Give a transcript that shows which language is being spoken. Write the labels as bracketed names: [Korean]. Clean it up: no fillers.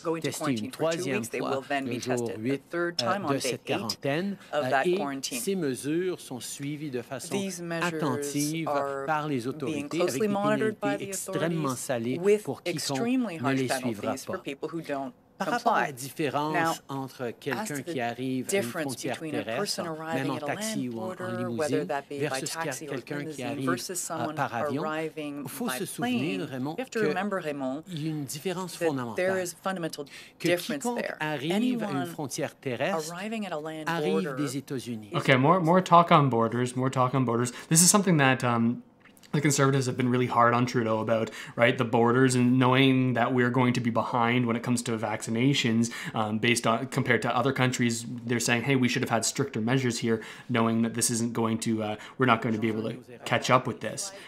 [English] Go into quarantine for 2 weeks. They will then be tested the third time on day 8 of that quarantine. These measures [French] sont suivies de façon attentive par les autorités, [English] being closely monitored by the authorities, with extremely harsh penalties for people who don't [French] Par rapport à la différence entre quelqu'un qui arrive à une frontière terrestre, même en taxi ou en limousine, versus quelqu'un qui arrive par avion, il faut se souvenir, Raymond, qu'il y a une différence fondamentale. Que quiconque arrive à une frontière terrestre arrive des États-Unis. [English] OK, more talk on borders, more talk on borders. This is something that... the conservatives have been really hard on Trudeau about, right, the borders and knowing that we're going to be behind when it comes to vaccinations based on compared to other countries. They're saying, hey, we should have had stricter measures here, knowing that this isn't going to we're not going to be able to catch up with this.